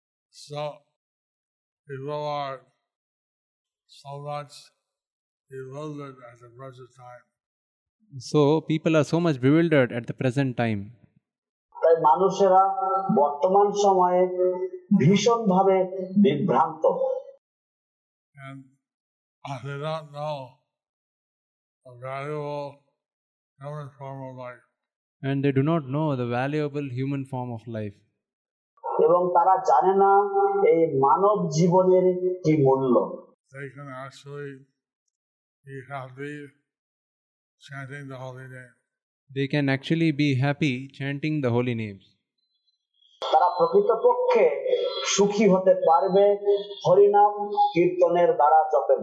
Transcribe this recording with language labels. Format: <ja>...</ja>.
<en>So, people are so much bewildered at the present time.</en> <bn>তাই মানুষেরা বর্তমান সময়ে ভীষণভাবে বিভ্রান্ত.</bn> <en>And they don't know the valuable human form of life. And they do not know the valuable human form of life.</en> <bn>এবং তারা জানে না এই মানব জীবনের কি মূল্য.</bn> <en>They can actually be happy chanting the holy name. They can actually be happy chanting the holy names.</en> <bn>তারা প্রকৃতপক্ষে সুখী হতে পারবে হরি নাম কীর্তনের দ্বারা জপের</bn>